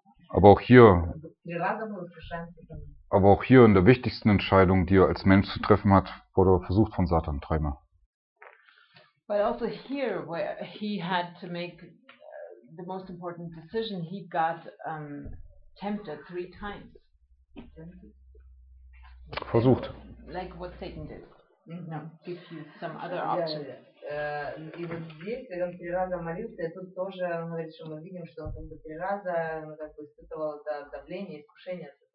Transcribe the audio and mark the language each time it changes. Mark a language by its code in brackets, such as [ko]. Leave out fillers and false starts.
[de] Aber auch hier in der wichtigsten Entscheidung, die er als Mensch zu treffen hat, wurde er versucht von Satan dreimal. [en] But also here, where he had to make the most important decision, he got tempted three times. [de] Versucht. [en] Like what Satan did. No, give you some other option. [ru] И вот здесь, когда он три раза молился, и тут тоже он говорит, что мы видим, что он как бы три раза, ну, как бы испытывал это давление, искушение.